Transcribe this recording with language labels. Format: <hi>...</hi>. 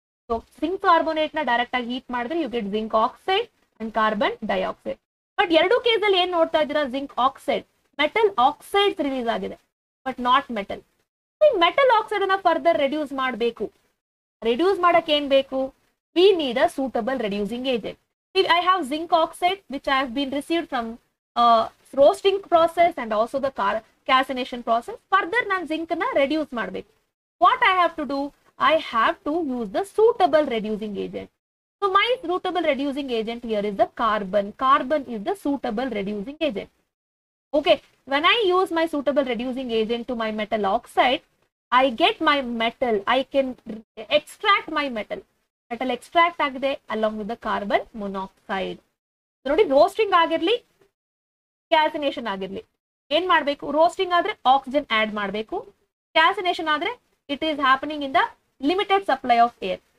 <kn>So zinc carbonate ನ direct ಆಗಿ heat ಮಾಡಿದ್ರೆ</kn> <en>You get zinc oxide and carbon dioxide.</en> <kn>But ಎರಡೂ case ಅಲ್ಲಿ ಏನ್ ನೋಡ್ತಾ ಇದ್ರ, zinc oxide metal oxide release ಆಗಿದೆ but not metal. Metal oxide ಅನ್ನ ಫರ್ದರ್ ರೆಡ್ಯೂಸ್ ಮಾಡಬೇಕು. ರೆಡ್ಯೂಸ್ ಮಾಡಕ್ ಏನ್ ಬೇಕು?</kn> <en>We need a suitable reducing agent. If I have zinc oxide which I have been received from roasting process and also the calcination process, further</en> <kn>nan zinc na reduce madbeku.</kn> <en>What I have to do? I have to use the suitable reducing agent. So my suitable reducing agent here is the carbon. Carbon is the suitable reducing agent. Okay, when I use my suitable reducing agent to my metal oxide, I get my metal. I can extract my metal. Metal extract ಆಗಿದೆ along with the carbon monoxide.</en> <kn>ನೋಡಿ, roasting ಆಗಿರ್ಲಿ calcination ಆಗಿರ್ಲಿ ಏನ್ ಮಾಡ್ಬೇಕು? Roasting ಆದ್ರೆ oxygen add ಮಾಡ್ಬೇಕು, calcination ಆದ್ರೆ</kn> <en>It is happening in the limited supply of air.</en>